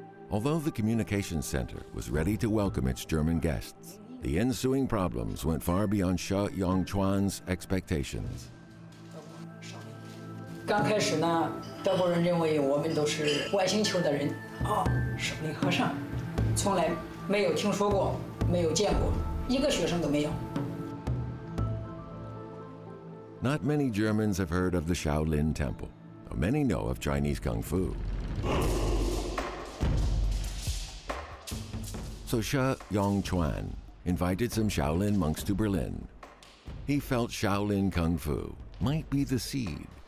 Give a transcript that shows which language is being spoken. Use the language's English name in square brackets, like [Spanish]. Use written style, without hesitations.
[English] Although the communication center was ready to welcome its German guests, the ensuing problems went far beyond Shi Yanlei's expectations. [Chinese] 刚开始呢，德国人认为我们都是外星球的人啊，舍利和尚，从来没有听说过，没有见过，一个学生都没有。 [English] Not many Germans have heard of the Shaolin Temple, though many know of Chinese Kung Fu. So Shi Yanlei invited some Shaolin monks to Berlin. He felt Shaolin Kung Fu might be the seed.